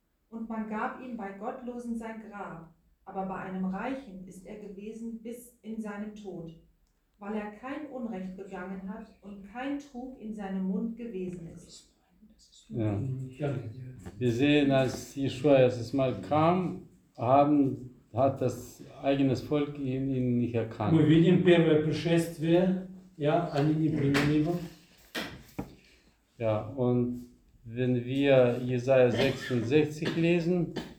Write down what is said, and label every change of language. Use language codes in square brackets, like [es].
[de] Und man gab ihm bei Gottlosen sein Grab, aber bei einem Reichen ist er gewesen bis in seinen Tod, weil er kein Unrecht begangen hat und kein Trug in seinem Mund gewesen ist. Ja. Wir sehen, als Jeschua erstes Mal kam, hat das eigene Volk ihn nicht erkannt. [ru] Мы видим первое пришествие, ja, они не приняли его. [de] Ja, und wenn wir Jesaja 66 lesen,